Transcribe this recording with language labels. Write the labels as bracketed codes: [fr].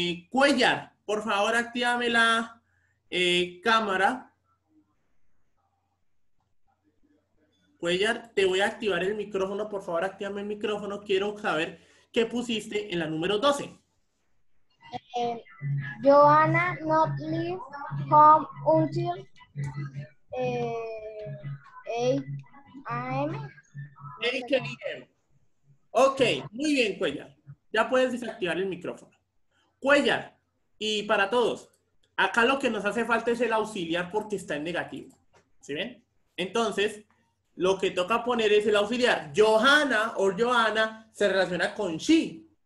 [es] Cuellar. Por favor, actívame la cámara. Cuellar, te voy a activar el micrófono. Por favor, actívame el micrófono. Quiero saber qué pusiste en la número 12. [en] Joanna not leave home until 8 a.m. [es] Ok, muy bien, Cuellar. Ya puedes desactivar el micrófono. Cuellar, y para todos, acá lo que nos hace falta es el auxiliar porque está en negativo. ¿Sí ven? Entonces, lo que toca poner es el auxiliar. Johanna o Johanna se relaciona con she.